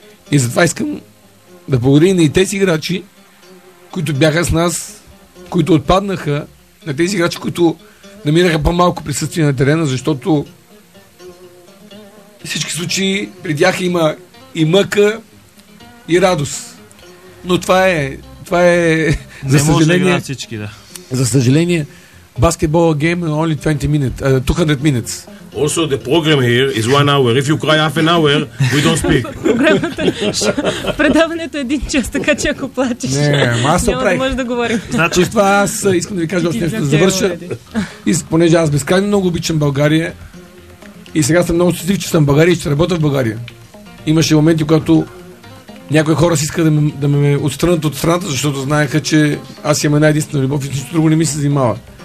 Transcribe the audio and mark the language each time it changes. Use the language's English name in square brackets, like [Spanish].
[Bulgarian] И затова искам да благодаря и тези играчи, които бяха с нас, които отпаднаха, на тези играчи, които намираха по-малко присъствие на терена, защото всички случаи при тях има и мъка, и радост. Но това е за съжаление, може да всички, да. За съжаление, [English] basketball game is only 200 minutes. Also, the program here is 1 hour. If you cry half an hour, we don't speak. [Bulgarian] Програмата, предаването е 1 час, така че ако плачеш, няма да може да говорим. Значи, това аз искам да ви кажа още нещо, да завърша. Понеже аз безкрайно много обичам България и сега съм много щастлив, че съм в България и ще работя в България. Имаше моменти, когато някои хора си искат да ме отстранят от страната, защото знаеха, че аз имам една единствена любов и нищо друго не ми се занимава.